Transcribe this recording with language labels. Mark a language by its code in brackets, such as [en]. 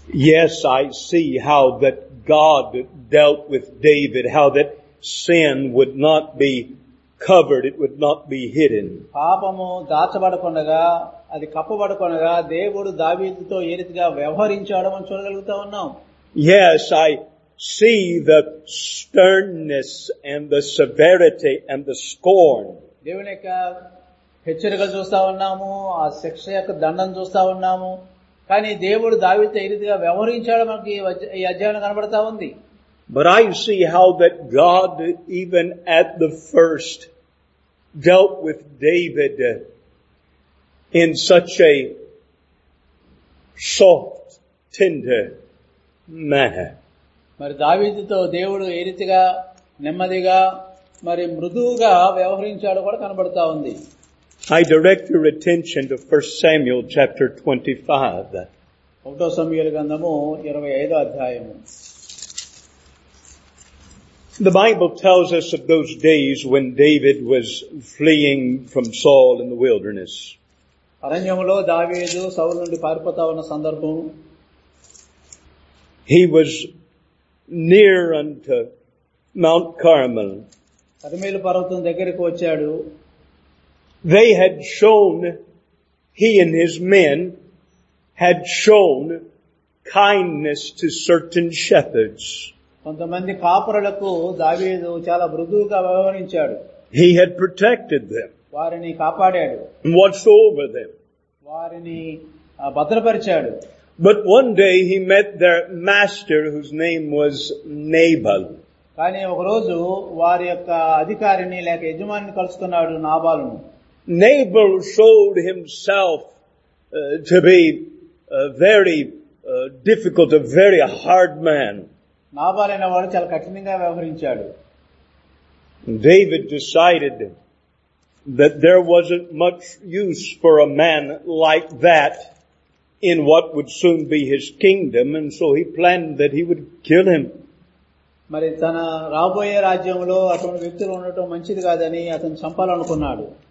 [en] Yes, I see how that God dealt with David, how that sin would not be covered, it would not be hidden. [te] పాపము దాచబడకుండా అది కప్పబడకుండా దేవుడు దావీదుతో ఏ రీతిగా వ్యవహరించాడో మనం చూడగలుగుతూ ఉన్నాం. [en] Yes, I see the sternness and the severity and the scorn. [te] దేవుని యొక్క హెచ్చరికలు చూస్తా ఉన్నాము, ఆ శిక్ష యొక్క దండం చూస్తా ఉన్నాము. కానీ దేవుడు దావీదుతో ఏ రీతిగా వ్యవహరించాడు మనకి ఈ అధ్యాయం కనబడతా ఉంది. [en] But I see how that God, even at the first, dealt with David in such a soft, tender manner. [te] మరి దావీదుతో దేవుడు ఏ రీతిగా నెమ్మదిగా మరి మృదువుగా వ్యవహరించాడు కూడా కనబడతా ఉంది. [en] I direct your attention to 1 Samuel chapter 25. [te] 1 Samuel గ్రంథము 25వ అధ్యాయము. [en] The Bible tells us of those days when David was fleeing from Saul in the wilderness. [te] అరణ్యములో దావీదు సౌలు నుండి పారిపోతా ఉన్న సందర్భం. [en] He was near unto Mount Carmel. [te] కర్మెలు పర్వతం దగ్గరికి వచ్చాడు. [en] They had shown, he and his men had shown kindness to certain shepherds. [te] కొంతమంది కాపరులకు దావీదు చాలా మృదువుగా వ్యవహరించాడు. [en] He had protected them. [te] వారిని కాపాడాడు. [en] Watched over them. [te] వారిని భద్రపరిచాడు. [en] But one day he met their master whose name was Nabal. [te] కానీ ఒక రోజు వారి యొక్క అధికారిని లేక యజమానిని కలుసుకున్నాడు నాబాలును. [en] Nabal showed himself to be a very difficult, a very hard man. [te] నాబాలు అనే వాడు చాలా కఠినంగా వ్యవహరించాడు. [en] David decided that there wasn't much use for a man like that in what would soon be his kingdom, and so he planned that he would kill him. [te] మరి తన రాబోయే రాజ్యంలో అటువంటి వ్యక్తులు ఉండటం మంచిది కాదని అతను చంపాలనుకున్నాడు.